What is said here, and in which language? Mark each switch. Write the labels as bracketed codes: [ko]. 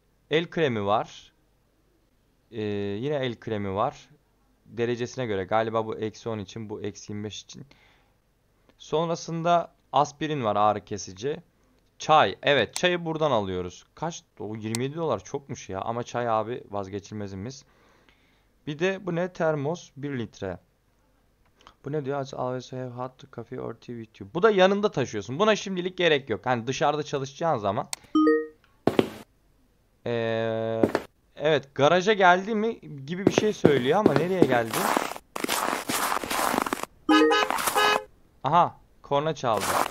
[tr] El kremi var. Yine el kremi var. Derecesine göre. Galiba bu eksi 10 için, bu eksi 25 için. Sonrasında aspirin var, ağrı kesici. Çay. Evet, çayı buradan alıyoruz. Kaç? O 27 dolar çokmuş ya. Ama çay abi vazgeçilmezimiz. Bir de bu ne? Termos 1 litre. Bu ne diyor? [en] Always have hot coffee or tea with you. [tr] Bu da yanında taşıyorsun. Buna şimdilik gerek yok. Hani dışarıda çalışacağın zaman. Evet, garaja geldi mi gibi bir şey söylüyor ama nereye geldi? Aha, korna çaldı.